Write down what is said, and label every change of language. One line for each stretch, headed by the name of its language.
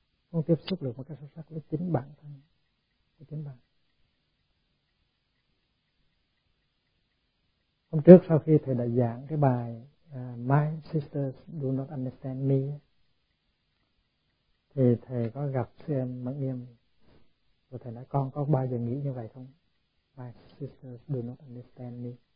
Vietnamese: Con tiếp xúc được một cái sâu sắc với chính bản thân, với chính bạn. Hôm trước sau khi thầy đã giảng cái bài
English: My sisters do not understand me.
Vietnamese: Thì thầy có gặp sư em Mẫn Nghiêm và thầy nói con có bao giờ nghĩ như vậy không?
English: My sisters do not understand me.